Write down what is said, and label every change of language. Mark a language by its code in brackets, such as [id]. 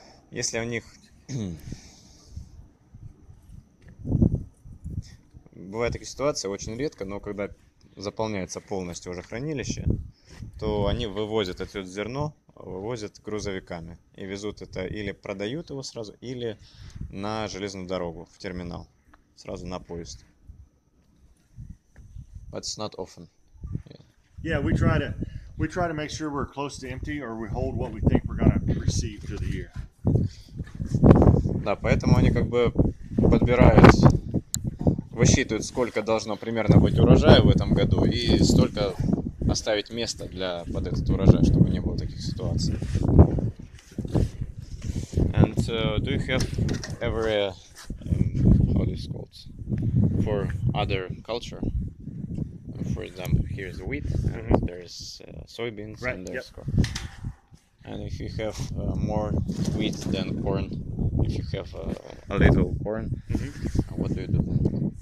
[ru] Если у них бывает такая ситуация, очень редко, но когда заполняется полностью уже хранилище, то они вывозят это зерно. Вывозят грузовиками и везут это или продают его сразу, или на железную дорогу, в терминал, сразу на поезд. [en] But it's not often. Yeah, we try to make sure we're close to empty or we hold what we think we're gonna receive through the year. [ru] Да, поэтому они как бы подбирают, высчитывают, сколько должно примерно быть урожая в этом году и столько оставить место для под этот урожай, чтобы не было таких ситуаций. [en] And do you have every how this called for other culture? For example, here is wheat, and there is soybeans, right, and there is corn. And if you have more wheat than corn, if you have a little corn, what do you do?